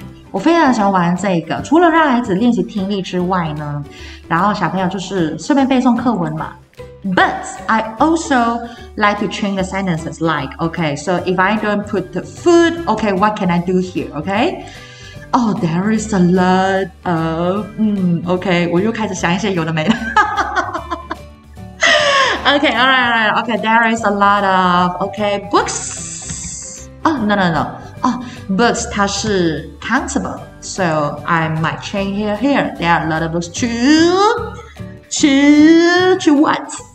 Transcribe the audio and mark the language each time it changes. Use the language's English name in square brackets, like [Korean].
[Chinese] 我非常喜欢玩这个，除了让孩子练习听力之外呢，然后小朋友就是顺便背诵课文嘛。 [English] But I also like to train the sentences like OK, so if I don't put the food, OK, what can I do here, OK? Oh, there is a lot of... [Chinese] OK, 我又开始想一些有的没的。 [English] OK, alright, OK, there is a lot of... OK, books... Oh, no, no, no. Oh, books, [Chinese] 它是 [English] countable. So, I might change here. There are a lot of books to what?